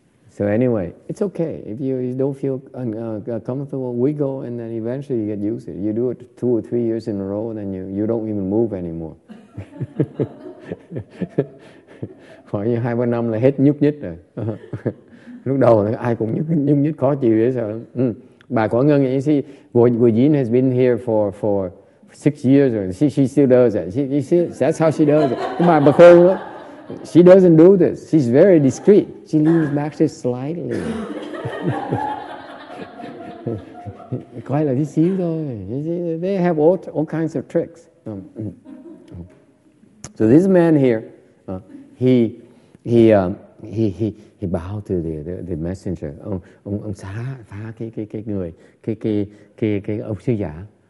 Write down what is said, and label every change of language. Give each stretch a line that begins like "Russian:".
English: So anyway, it's okay. If you don't feel comfortable, wiggle, and then eventually you get used to it. You do it 2 or 3 years in a row, and then you don't even move anymore.
Vietnamese: Khoảng như 2-3 năm là hết nhúc nhích rồi. Lúc đầu là ai cũng nhúc nhích khó chịu vậy sao. Bà có ngân nghĩ gì?
English: Wujin has been here for 6 years rồi. She still does it. That's how she does it.
Vietnamese: Bà khôn lắm.
English: She doesn't do this. She's very discreet. She leans back just slightly. Quite like this, you know. They have all kinds of tricks. So this man here, he bowed to the messenger.
Vietnamese: Ông xá cái người cái ông sứ giả.